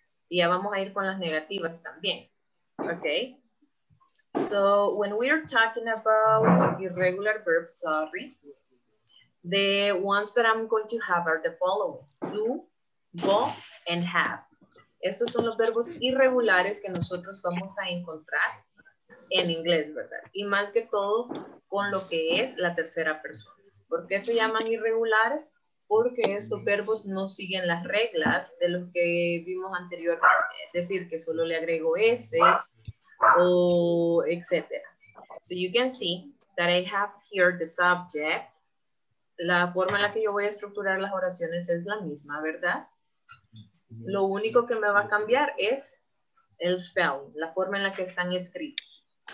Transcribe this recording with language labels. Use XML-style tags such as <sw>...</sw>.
<es>Y ya vamos a ir con las negativas también. Okay.</es> <en>So when we are talking about irregular verbs, sorry, the ones that I'm going to have are the following. Do, go, and have.</en> <es>Estos son los verbos irregulares que nosotros vamos a encontrar en inglés, ¿verdad? Y más que todo con lo que es la tercera persona. ¿Por qué se llaman irregulares? Porque estos verbos no siguen las reglas de los que vimos anteriormente. Es decir, que solo le agrego S o etc.</es> <en>So you can see that I have here the subject.</en> <es>La forma en la que yo voy a estructurar las oraciones es la misma, ¿verdad? Lo único que me va a cambiar es el spell, la forma en la que están escritos.</es>